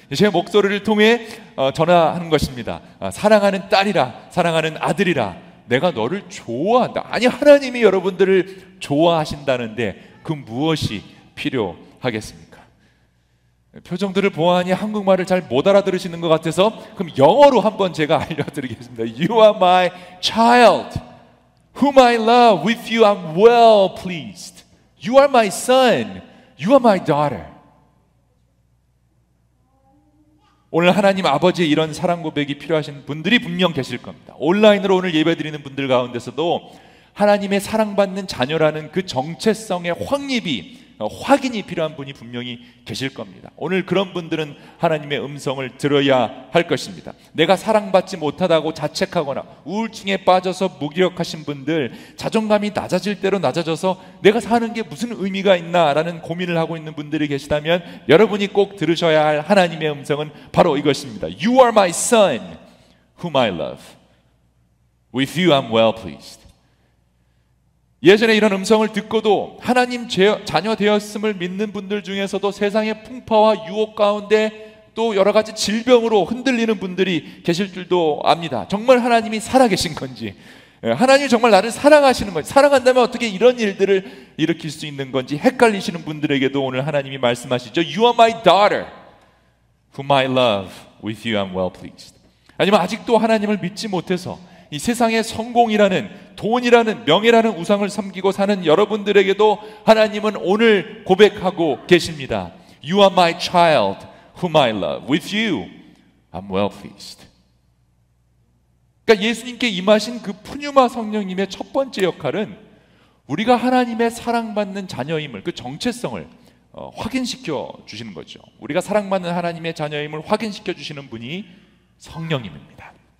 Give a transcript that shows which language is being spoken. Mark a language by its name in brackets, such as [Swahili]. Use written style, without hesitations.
[Korean] 제 목소리를 통해 전화하는 것입니다. 사랑하는 딸이라, 사랑하는 아들이라, 내가 너를 좋아한다. 아니, 하나님이 여러분들을 좋아하신다는데 그 무엇이 필요하겠습니까? 표정들을 보아하니 한국말을 잘 못 알아들으시는 것 같아서 그럼 영어로 한번 제가 알려드리겠습니다. [English] You are my child, whom I love. With you I'm well pleased. You are my son. You are my daughter. [Korean] 오늘 하나님 아버지의 이런 사랑 고백이 필요하신 분들이 분명 계실 겁니다. 온라인으로 오늘 예배드리는 분들 가운데서도 하나님의 사랑받는 자녀라는 그 정체성의 확립이, 확인이 필요한 분이 분명히 계실 겁니다. 오늘 그런 분들은 하나님의 음성을 들어야 할 것입니다. 내가 사랑받지 못하다고 자책하거나 우울증에 빠져서 무기력하신 분들, 자존감이 낮아질 대로 낮아져서 내가 사는 게 무슨 의미가 있나라는 고민을 하고 있는 분들이 계시다면 여러분이 꼭 들으셔야 할 하나님의 음성은 바로 이것입니다. [English] You are my son, whom I love. With you I'm well pleased. [Korean] 예전에 이런 음성을 듣고도 하나님 자녀 되었음을 믿는 분들 중에서도 세상의 풍파와 유혹 가운데 또 여러 가지 질병으로 흔들리는 분들이 계실 줄도 압니다. 정말 하나님이 살아계신 건지, 하나님이 정말 나를 사랑하시는 건지, 사랑한다면 어떻게 이런 일들을 일으킬 수 있는 건지 헷갈리시는 분들에게도 오늘 하나님이 말씀하시죠. [English] You are my daughter, whom I love. With you I'm well pleased. [Korean] 아니면 아직도 하나님을 믿지 못해서 이 세상의 성공이라는, 돈이라는, 명예라는 우상을 섬기고 사는 여러분들에게도 하나님은 오늘 고백하고 계십니다. [English] You are my child, whom I love. With you, I'm well pleased. [Korean] 그러니까 예수님께 임하신 그 푸뉴마 성령님의 첫 번째 역할은 우리가 하나님의 사랑받는 자녀임을, 그 정체성을 확인시켜 주시는 거죠. 우리가 사랑받는 하나님의 자녀임을 확인시켜 주시는 분이 성령님입니다.